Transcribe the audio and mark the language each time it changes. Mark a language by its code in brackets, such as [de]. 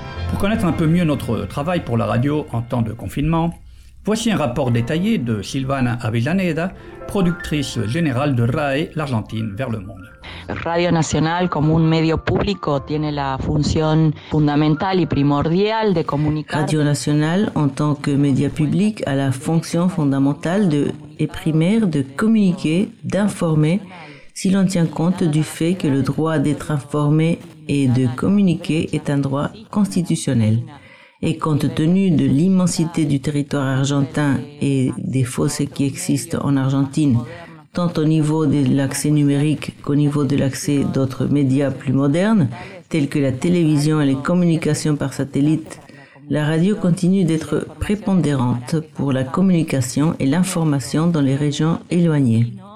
[fr] Pour connaître un peu mieux notre travail pour la radio en temps de confinement, voici un rapport détaillé de Silvana Avellaneda, productrice générale de RAE, l'Argentine vers le monde. [es] Radio Nacional, como un medio público, tiene la función fundamental y primordial de comunicar. [fr] Radio Nacional, en tant que média public, a la fonction fondamentale de et primaire de communiquer, d'informer, si l'on tient compte du fait que le droit d'être informé et de communiquer est un droit constitutionnel. Et compte tenu de l'immensité du territoire argentin et des fossés qui existent en Argentine, tant au niveau de l'accès numérique qu'au niveau de l'accès d'autres médias plus modernes, tels que la télévision et les communications par satellite, la radio continue d'être prépondérante pour la communication et l'information dans les régions éloignées.